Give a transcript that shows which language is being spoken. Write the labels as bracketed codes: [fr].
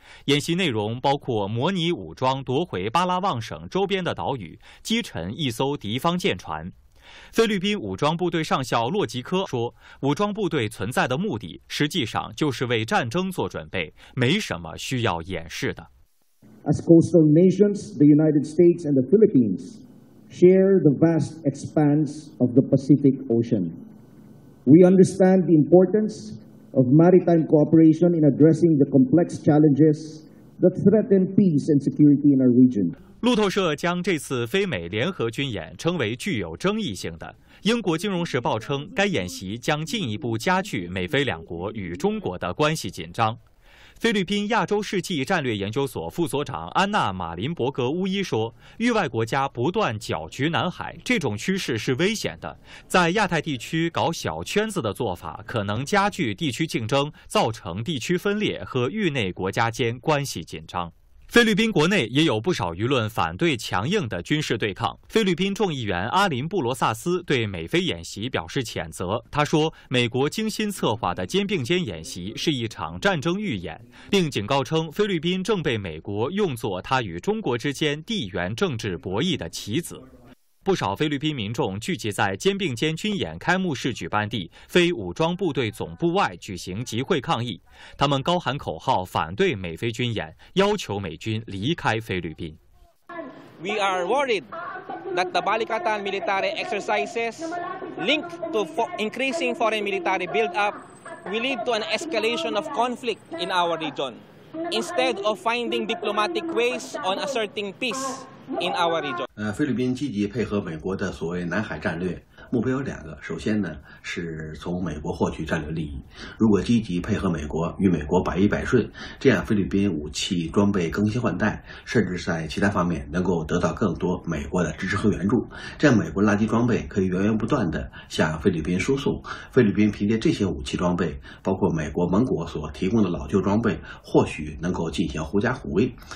[zh] 演习内容包括模拟武装夺回巴拉望省周边的岛屿，击沉一艘敌方舰船。菲律宾武装部队上校洛吉科说，武装部队存在的目的实际上就是为战争做准备，没什么需要掩饰的。 [en] As coastal nations, the United States and the Philippines share the vast expanse of the Pacific Ocean. We understand the importanceof maritime cooperation in addressing the complex challenges that threaten peace and security in our region. [zh] 路透社将这次非美联合军演称为具有争议性的。英国金融时报称，该演习将进一步加剧美菲两国与中国的关系紧张。菲律宾亚洲世纪战略研究所副所长安娜·马林伯格乌伊说，域外国家不断搅局南海，这种趋势是危险的，在亚太地区搞小圈子的做法可能加剧地区竞争，造成地区分裂和域内国家间关系紧张。菲律宾国内也有不少舆论反对强硬的军事对抗。菲律宾众议员阿林布罗萨斯对美菲演习表示谴责，他说，美国精心策划的肩并肩演习是一场战争预演，并警告称，菲律宾正被美国用作他与中国之间地缘政治博弈的棋子。不少菲律宾民众聚集在肩并肩军演开幕式举办地非武装部队总部外举行集会抗议，他们高喊口号反对美菲军演，要求美军离开菲律宾。 [en] We are worried that the Balikatan military exercises linked to increasing foreign military build-up will lead to an escalation of conflict in our region instead of finding diplomatic ways on asserting peace in our region. [zh] 菲律宾积极配合美国的所谓南海战略，目标有两个，首先呢是从美国获取战略利益，如果积极配合美国，与美国百依百顺，这样菲律宾武器装备更新换代，甚至在其他方面能够得到更多美国的支持和援助，这样美国垃圾装备可以源源不断地向菲律宾输送，菲律宾凭借这些武器装备，包括美国盟国所提供的老旧装备，或许能够进行狐假虎威。